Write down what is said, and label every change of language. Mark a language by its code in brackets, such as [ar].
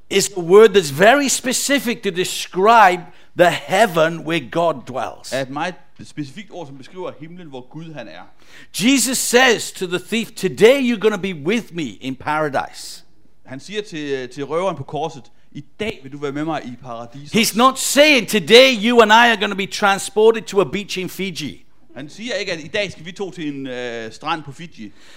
[en] is a word that's very specific to describe the heaven where God dwells. [da] Et meget specifikt ord, som beskriver himlen, hvor Gud han er. [en] Jesus says to the thief, "Today you're going to be with me in paradise." [da] Han siger til røveren på korset, "I dag vil du være med mig i paradis." [en] He's not saying, "Today you and I are going to be transported to a beach in Fiji." [da] Han siger ikke, at i dag skal vi to til en strand på Fiji.